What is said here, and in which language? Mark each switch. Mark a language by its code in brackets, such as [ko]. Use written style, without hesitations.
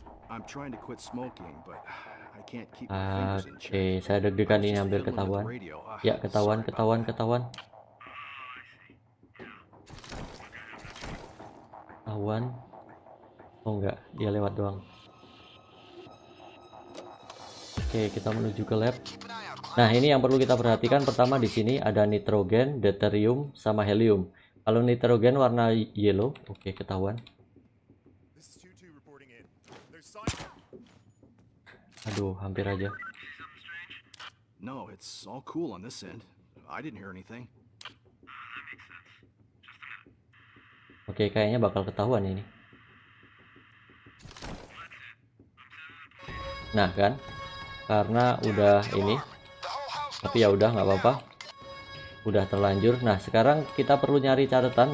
[en] I'm trying to quit smoking, but I can't keep my fingers in check. [id] Saya deg-degan ini ambil ketahuan. Ya, ketahuan, ketahuan, ketahuan. Ketahuan. Oh enggak, dia lewat doang. Oke, kita menuju ke lab. Nah, ini yang perlu kita perhatikan. Pertama, di sini ada nitrogen, deuterium, sama helium. Kalau nitrogen warna yellow, oke, ketahuan. Aduh, hampir aja. [en] No, it's all cool on this end. I didn't hear anything. [id] Oke, kayaknya bakal ketahuan ini. Nah, kan? Karena udah ini. Tapi ya udah, nggak apa-apa. Udah terlanjur. Nah, sekarang kita perlu nyari catatan.